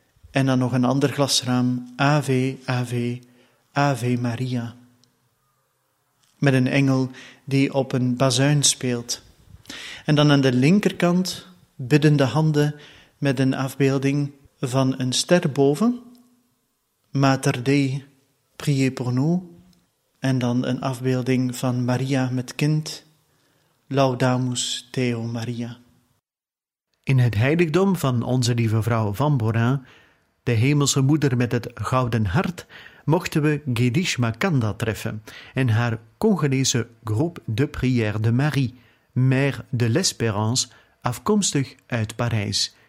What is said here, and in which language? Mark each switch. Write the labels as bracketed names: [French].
[Dutch] En dan nog een ander glasraam, [Latin] Ave, Ave, Ave Maria. [Dutch] Met een engel die op een bazuin speelt. En dan aan de linkerkant biddende handen met een afbeelding van een ster boven. [Latin] Mater Dei, [French] priez pour nous. [Dutch] En dan een afbeelding van Maria met kind, [Latin] Laudamus Deo Maria. [Dutch] In het heiligdom van Onze Lieve Vrouw van Borin, de hemelse moeder met het gouden hart, mochten we Gedish Makanda treffen en haar Congolese groep de Prière de Marie, Mère de l'Espérance, afkomstig uit Parijs.